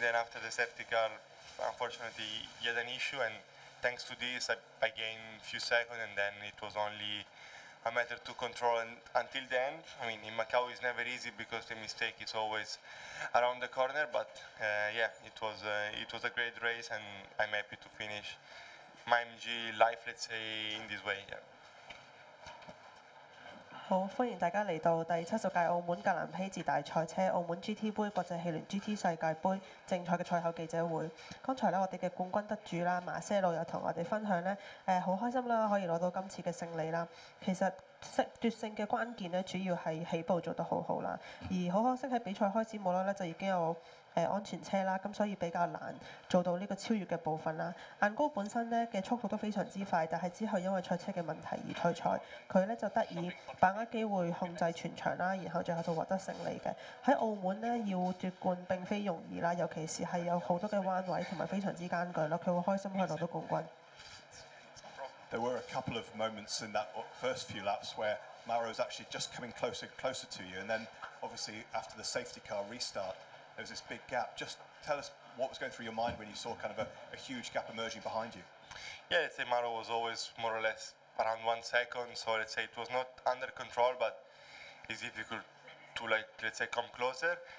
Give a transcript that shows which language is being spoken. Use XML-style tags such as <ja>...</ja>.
<en>Then after the safety car, unfortunately, he had an issue, and thanks to this, I gained a few seconds, and then it was only a matter to control until the end. I mean, in Macau, it's never easy because the mistake is always around the corner, but it was a great race, and I'm happy to finish my MG life, let's say, in this way. Yeah.</en> <yue>好，歡迎大家嚟到第70屆澳門格蘭披治大賽車澳門 GT 杯國際汽聯 GT 世界杯正賽嘅賽後記者會。剛才咧，我哋嘅冠軍得主啦，馬歇路又同我哋分享咧，好開心啦，可以攞到今次嘅勝利啦。其實奪勝嘅關鍵咧，主要係起步做得好好啦。而好可惜喺比賽開始冇耐咧，就已經有 安全車啦，咁所以比較難做到呢個超越嘅部分啦。雁高本身咧嘅速度都非常之快，但係之後因為賽車嘅問題而退賽，佢咧就得以把握機會控制全場啦，然後最後就獲得勝利嘅。喺澳門咧要奪冠並非容易啦，尤其是係有好多嘅彎位同埋非常之艱巨啦，佢會開心去攞到冠軍。</yue> <en>there were a couple of moments in that first few laps where Mauro was actually just coming closer and closer to you, and then obviously after the safety car restart there was this big gap. Just tell us what was going through your mind when you saw kind of a huge gap emerging behind you. Yeah, I'd say Mauro was always more or less around 1 second, so let's say it was not under control, but it's difficult to, like, let's say, come closer.</en>